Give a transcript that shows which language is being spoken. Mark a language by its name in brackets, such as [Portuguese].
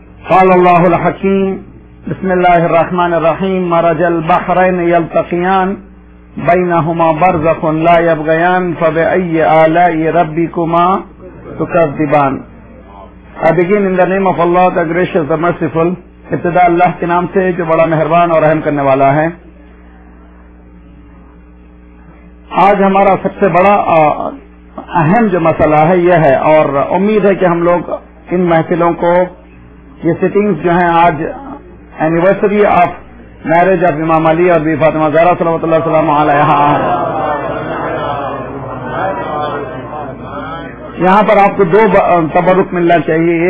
[Arabic] قال الله الحكيم, بسم الله الرحمن الرحيم, مرج البحرين يلتقيان بينهما برزخ لا يبغيان فبأي آلاء ربكما تكذبان. [English] I begin in the name of Allah, the gracious, the merciful. [Urdu] ابتدا اللہ کے نام سے جو بڑا مہربان اور رحم کرنے والا ہے. آج ہمارا سب سے بڑا اہم جو مسئلہ ہے یہ ہے, اور امید ہے کہ ہم لوگ ان محفلوں کو, یہ سٹنگز جو ہیں, آج [English] anniversary of marriage of [Urdu] امام علی اور بی فاطمہ زہرا صلی اللہ علیہ وسلم علیہا, یہاں پر آپ کو دو تبرک ملنا چاہیے.